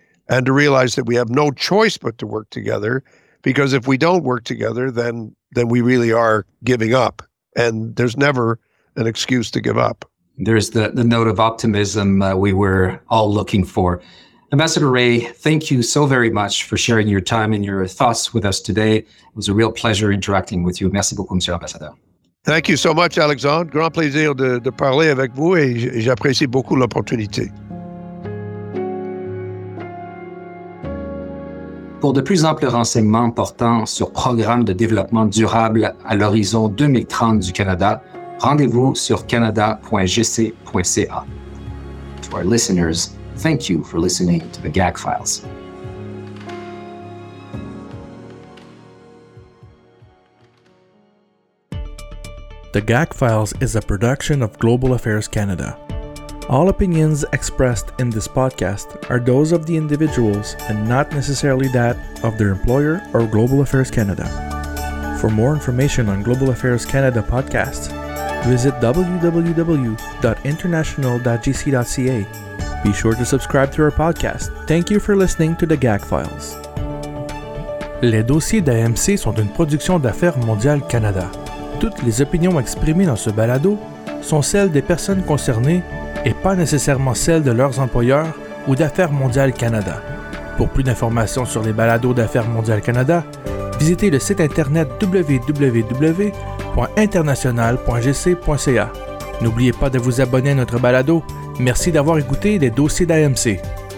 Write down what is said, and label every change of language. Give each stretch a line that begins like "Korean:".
English: and to realize that we have no choice but to work together, because if we don't work together, then we really are giving up, and there's never an excuse to give up. There's the note of optimism we were all looking for. Ambassador Ray, thank you so very much for sharing your time and your thoughts with us today. It was a real pleasure interacting with you.
French: Merci beaucoup, Monsieur Ambassador.
English: Thank you so much, Alexandre.
French: Grand plaisir de parler avec vous et j'apprécie beaucoup l'opportunité. Pour de plus amples renseignements portant sur programme de développement durable à l'horizon 2030 du Canada, rendez-vous sur canada.gc.ca.
English: To our listeners, thank you for listening to the GAC Files. The GAC Files is a production of Global Affairs Canada. All opinions expressed in this podcast are those of the individuals and not necessarily that of their employer or Global Affairs Canada. For more information on Global Affairs Canada podcasts, visit www.international.gc.ca. Be sure to subscribe to our podcast. Thank you for listening to the GAC Files.
French: Les dossiers d'AMC sont une production d'Affaires Mondiales Canada. Toutes les opinions exprimées dans ce balado sont celles des personnes concernées et pas nécessairement celles de leurs employeurs ou d'Affaires Mondiales Canada. Pour plus d'informations sur les balados d'Affaires Mondiales Canada, visitez le site internet www.international.gc.ca. N'oubliez pas de vous abonner à notre balado. Merci d'avoir écouté les dossiers d'AMC.